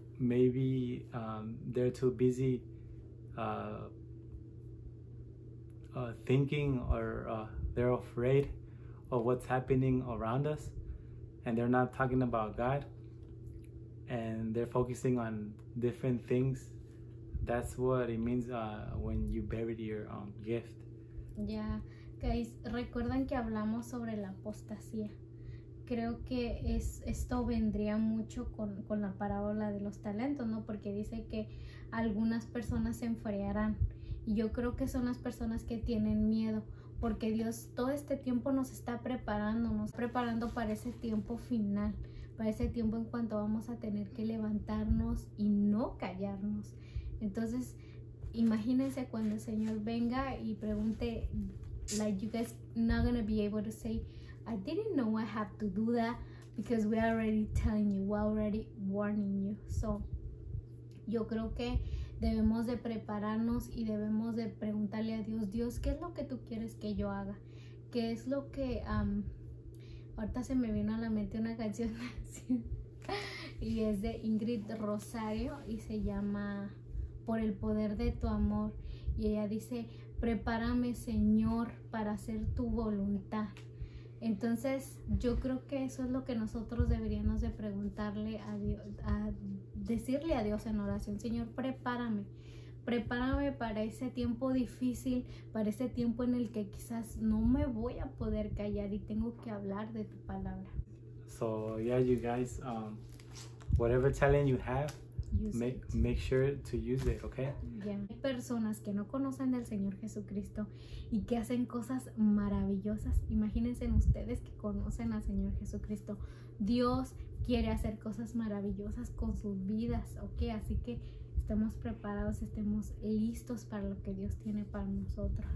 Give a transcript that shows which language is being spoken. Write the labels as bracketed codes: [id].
[en] Maybe they're too busy thinking, or they're afraid of what's happening around us, and they're not talking about God, and they're focusing on different things. That's what it means when you buried your gift. Yeah. Guys, [es] recuerdan que hablamos sobre la apostasía. Creo que esto vendría mucho con la parábola de los talentos, ¿no? Porque dice que algunas personas se enfriarán. Y yo creo que son las personas que tienen miedo. Porque Dios todo este tiempo nos está preparando para ese tiempo final. para ese tiempo en cuanto vamos a tener que levantarnos y no callarnos. Entonces, imagínense cuando el Señor venga y pregunte, [en] like, you guys not gonna be able to say, I didn't know I have to do that, because we're already telling you, we're already warning you. [es] So, yo creo que debemos de prepararnos y debemos de preguntarle a Dios, Dios, ¿qué es lo que tú quieres que yo haga? ¿Qué es lo que, ahorita se me vino a la mente una canción así, y es de Ingrid Rosario y se llama Por el poder de tu amor. Y ella dice, prepárame, Señor, para hacer tu voluntad. Entonces, yo creo que eso es lo que nosotros deberíamos de preguntarle a Dios, a decirle a Dios en oración, Señor, prepárame. Prepárame para ese tiempo difícil, para ese tiempo en el que quizás no me voy a poder callar y tengo que hablar de tu palabra. [en] So, yeah, you guys, whatever talent you have, make sure to use it, okay? Yeah. [es] Hay personas que no conocen del Señor Jesucristo y que hacen cosas maravillosas. Imagínense ustedes que conocen al Señor Jesucristo. Dios quiere hacer cosas maravillosas con sus vidas, okay? Así que estemos preparados, estemos listos para lo que Dios tiene para nosotros.